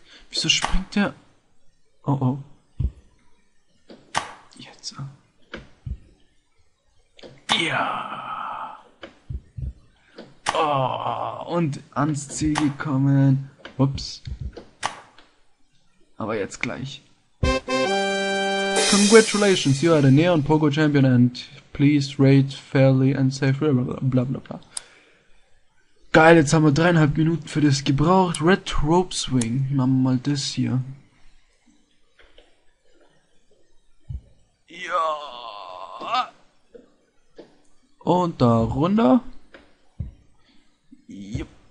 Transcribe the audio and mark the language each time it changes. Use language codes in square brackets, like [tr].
[de] Wieso springt der? Oh oh. Jetzt. Ja. Oh, und ans Ziel gekommen. Ups. Aber jetzt gleich. [en] Congratulations, you are the Neon Pogo Champion and please rate fairly and safely. Bla bla bla. [de] Geil, jetzt haben wir 3,5 Minuten für das gebraucht. Red Rope Swing. Machen wir mal das hier. Ja. Und da runter. Yep.